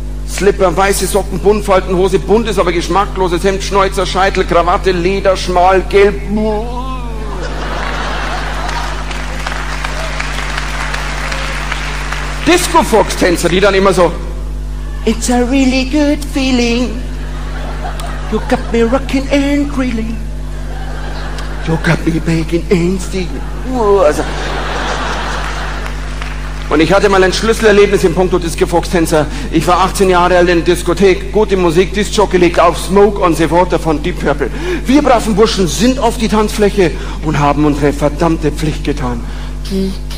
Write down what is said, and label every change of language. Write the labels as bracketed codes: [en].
[de] Slipper, weiße Socken, Buntfaltenhose, buntes, aber geschmackloses Hemd, Schnäuzer, Scheitel, Krawatte, Leder, schmal, gelb. Disco-Fox-Tänzer, die dann immer so. [en] It's a really good feeling. You got me rocking and grilling. You got me baking and steaming. [de] Und ich hatte mal ein Schlüsselerlebnis im Punkto Disco-Fox-Tänzer. Ich war 18 Jahre alt in der Diskothek, gute Musik, Disc-Jockey legt auf Smoke on the Water von Deep Purple. Wir braven Burschen sind auf die Tanzfläche und haben unsere verdammte Pflicht getan. Hey!